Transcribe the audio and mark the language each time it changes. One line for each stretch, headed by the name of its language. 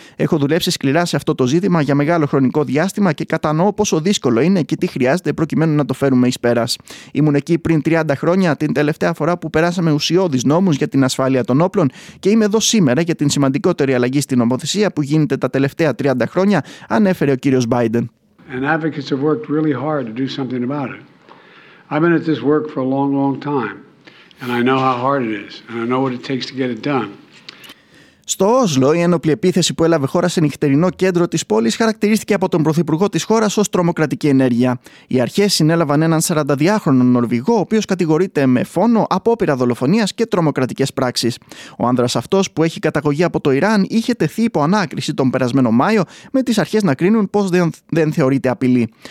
Greek: Έχω δουλέψει σκληρά σε αυτό το ζήτημα για μεγάλο χρονικό διάστημα και κατανοώ πόσο δύσκολο είναι και τι χρειάζεται προκειμένου να το φέρουμε εις πέρας. Ήμουν εκεί πριν 30 χρόνια, την τελευταία φορά που περάσαμε ουσιώδεις νόμους για την ασφάλεια των όπλων, και είμαι εδώ σήμερα για την σημαντικότερη αλλαγή στην νομοθεσία που γίνεται τα τελευταία 30 χρόνια, ανέφερε ο κ. Μπάιντεν.
English: And advocates have worked really hard to do something about it. I've been at this work for a long, long time. And I know how hard it is. And I know what it takes to get it done.
Greek: Στο Όσλο, η ένοπλη επίθεση που έλαβε χώρα σε νυχτερινό κέντρο της πόλης χαρακτηρίστηκε από τον πρωθυπουργό της χώρας ως τρομοκρατική ενέργεια. Οι αρχές συνέλαβαν έναν 42χρονο Νορβηγό, ο οποίος κατηγορείται με φόνο, απόπειρα δολοφονίας και τρομοκρατικές πράξεις. Ο άνδρας αυτός, που έχει καταγωγή από το Ιράν, είχε τεθεί υπό ανάκριση τον περασμένο Μάιο, με τις αρχές να κρίνουν πως δεν θεωρείται απειλή.